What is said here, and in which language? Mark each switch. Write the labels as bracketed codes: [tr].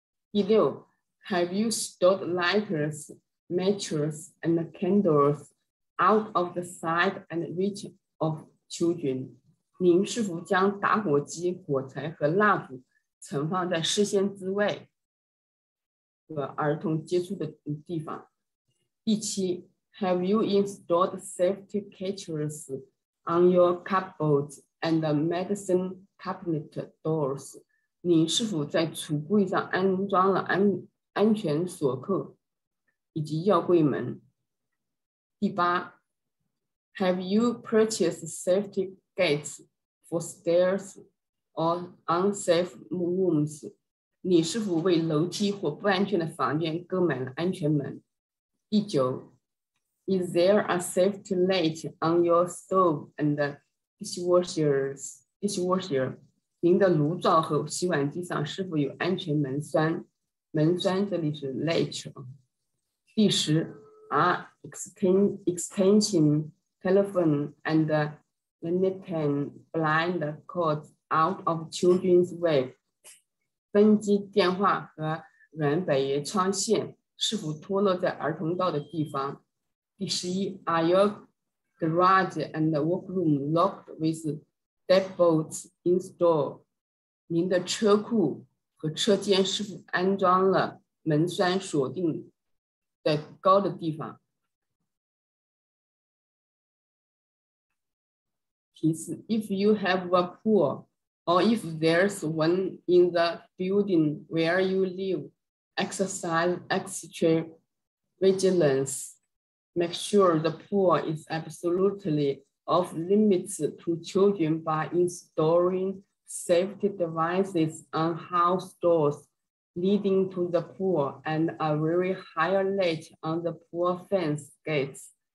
[zh] 第六， [en] Have you stored lighters, matches and candles out of the sight and reach of children? [zh] 您是否将打火机、火柴和蜡烛存放在视线之外和儿童接触的地方？第七， [en] Have you installed safety catchers on your cupboards and medicine cabinet doors? [zh] 您是否在橱柜上安装了 安全锁扣以及药柜门？第八， [en] Have you purchased safety gates for stairs or unsafe rooms? [zh] 你是否为楼梯或不安全的房间购买了安全门？第九， [en] Is there a safety latch on your stove and dishwasher? [zh] 您的炉灶和洗碗机上是否有安全门栓？门栓这里是 [en] latch。 [zh] 第十， [en] Are extension telephone and lantern blind cords out of children's way? [zh] 分机电话和软百叶窗线是否脱落在儿童道的地方？第十一， [en] Are your garage and workroom locked with deadbolts installed? [zh] 您的车库和车间是否安装了门栓锁定在高的地方？提示： [en] If you have a pool or if there's one in the building where you live, exercise extra vigilance. Make sure the pool is absolutely off limits to children by installing safety devices on house doors leading to the pool and a very high latch on the pool fence gates.